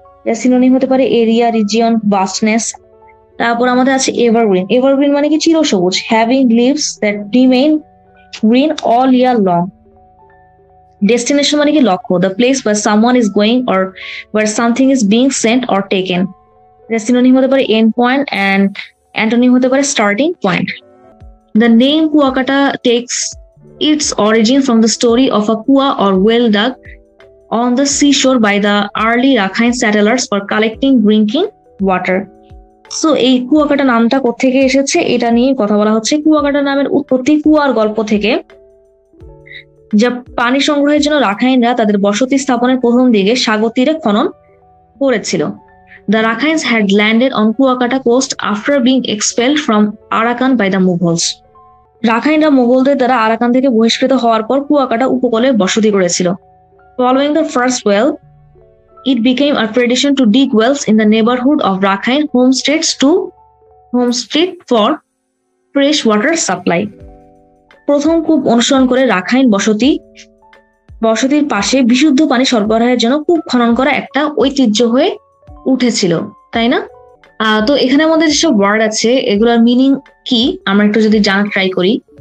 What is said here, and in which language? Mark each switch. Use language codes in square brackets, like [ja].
[bn] এটা সিনোনিম হতে পারে এরিয়া, রিজিয়ন, ভাস্টনেস। তারপর আমাদের আছে এভারগ্রিন, এভারগ্রিন মানে কি? [en] চিরসবুজ, having leaves that remain green all year long. Destination [bn] মানে কি? লক্ষ্য, [en] The place where someone is going or where something is being sent or taken. The synonym [bn] হতে পারে [en] end point and antonym হতে পারে starting point. The name Kuakata takes its origin from the story of a kua or well dug on the seashore by the early Rakhine settlers for collecting drinking water. [bn] So এই Kuakata নামটা কোথেকে এসেছে এটা নিয়ে কথা বলা হচ্ছে. Kuakata নামের উৎপত্তি কুয়ার গল্প থেকে, যা পানি সংগ্রহের জন্য রাখাইনরা তাদের বসতি স্থাপনের প্রথম দিকে সাগর তীরে খনন করেছিল. [en] The Rakhines had landed on Kuakata coast after being expelled from Arakan by the Mughals. [bn] রাখাইনরা মুঘলদের দ্বারা আরাকান থেকে বহিষ্কৃত হওয়ার পর কুয়াকাটা উপকূলে বসতি করেছিল. [en] Following the first well, it became a tradition to dig wells in the neighborhood of Rakhine homesteads to homestead for fresh water supply. [bn] প্রথম কূপ অনুসরণ করে রাখাইন বসতি বসতির পাশে বিশুদ্ধ পানি সরবরাহের জন্য কূপ খনন করা একটা ঐতিহ্য হয়ে উঠেছিল, তাই না? তো এখানে আমাদের যেসব ওয়ার্ড আছে এগুলোর মিনিং কি আমরা একটু যদি জানার ট্রাই করি.